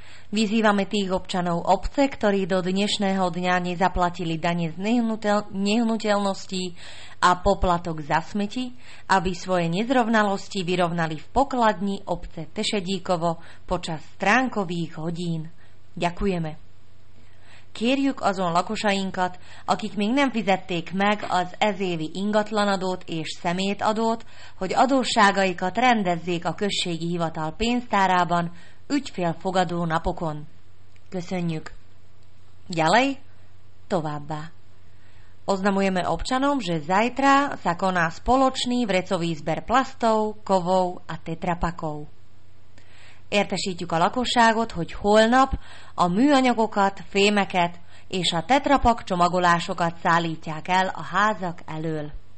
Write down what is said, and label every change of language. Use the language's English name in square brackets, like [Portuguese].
[Slovak] Vyzývame tých občanov obce, ktorí do dnešného dňa nezaplatili dane z nehnuteľností a poplatok za smeti, aby svoje nezrovnalosti vyrovnali v pokladni obce Tešedíkovo počas stránkových hodín. Ďakujeme. [Hungarian] Kérjük azon lakosainkat, akik még nem fizették meg az ezévi ingatlanadót és szemétadót, hogy adósságaikat rendezzék a községi hivatal pénztárában ügyfélfogadó napokon. Köszönjük! [Slovak] Ďalej? [Hungarian] Továbbá. [Slovak] Oznamujeme občanom, že zajtra sa koná spoločný vrecový zber plastov, kovov a tetrapakov. [Hungarian] Értesítjük a lakosságot, hogy holnap a műanyagokat, fémeket és a tetrapak csomagolásokat szállítják el a házak elől.